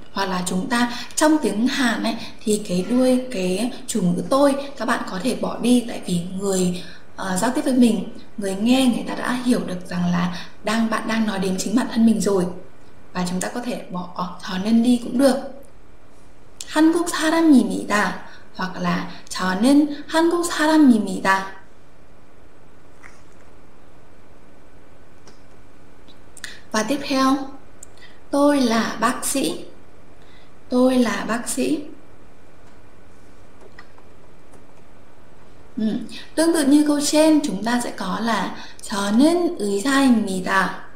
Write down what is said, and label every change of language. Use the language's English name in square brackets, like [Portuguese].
[Vietnamese] Hoặc là chúng ta trong tiếng Hàn ấy, thì cái đuôi, cái chủ ngữ tôi các bạn có thể bỏ đi. Tại vì người giao tiếp với mình, người nghe người ta đã hiểu được rằng là bạn đang nói đến chính bản thân mình rồi. Và chúng ta có thể bỏ 저는 đi cũng được. [Korean] 한국 사람입니다 [Vietnamese] hoặc là [Korean] 저는 한국 사람입니다. [Vietnamese] Và tiếp theo, tôi là bác sĩ. Tôi là bác sĩ. Tương tự như câu trên chúng ta sẽ có là [Korean] 저는 의사입니다.